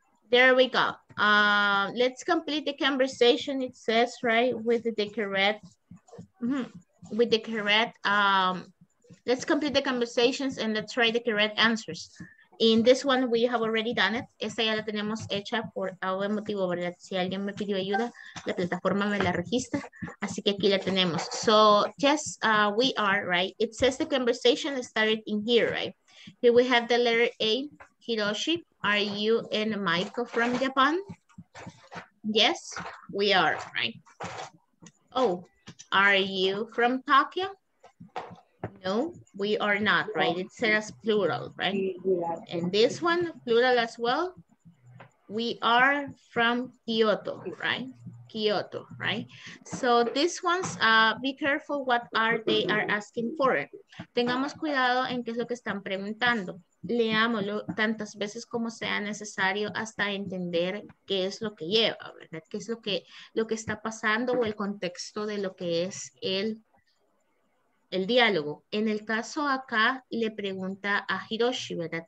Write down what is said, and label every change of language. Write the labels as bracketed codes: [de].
[en] There we go. Let's complete the conversation, it says, right, with the correct, let's complete the conversations and let's try the correct answers. In this one, we have already done it. [es] Esta ya la tenemos hecha por algún motivo, ¿verdad? Si alguien me pidió ayuda, la plataforma me la registra. Así que aquí la tenemos. [en] So, yes, we are, right? It says the conversation started in here, right? Here we have the letter A, Hiroshi. Are you and Michael from Japan? Yes, we are, right? Oh, are you from Tokyo? No, we are not, right? It says plural, right? And this one, plural as well. We are from Kyoto, right? Kyoto, right? So this one's, be careful what are they are asking for. [es] Tengamos cuidado en qué es lo que están preguntando. Leámoslo tantas veces como sea necesario hasta entender qué es lo que lleva, ¿verdad? Qué es lo que está pasando o el contexto de lo que es el diálogo. En el caso acá le pregunta a Hiroshi, ¿verdad?